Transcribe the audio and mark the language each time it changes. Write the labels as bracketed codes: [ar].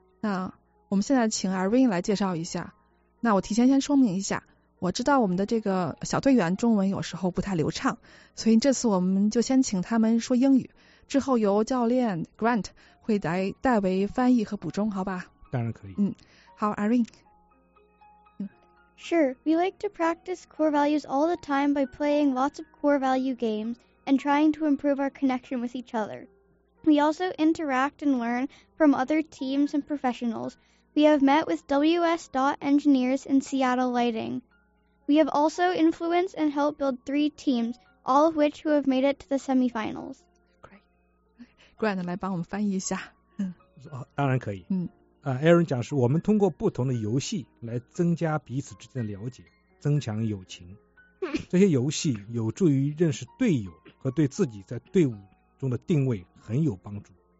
[zh] 那我们现在请 Irene 来介绍一下。那我提前先说明一下，我知道我们的这个小队员中文有时候不太流畅，所以这次我们就先请他们说英语，之后由教练 Grant 会来代为翻译和补充，好吧？当然可以。好 ，Irene。 [en] Sure, we like to practice core values all the time by playing lots of core value games and trying to improve our connection with each other. We also interact and learn from other teams and professionals. We have met with WS. Engineers in Seattle Lighting. We have also influenced and helped build three teams, all of which who have made it to the semifinals. [zh] Great. Grant, 来帮我们翻译一下。当然可以。 Aaron 讲是我们通过不同的游戏来增加彼此之间的了解，增强友情。这些游戏有助于认识队友和对自己在队伍中的定位很有帮助。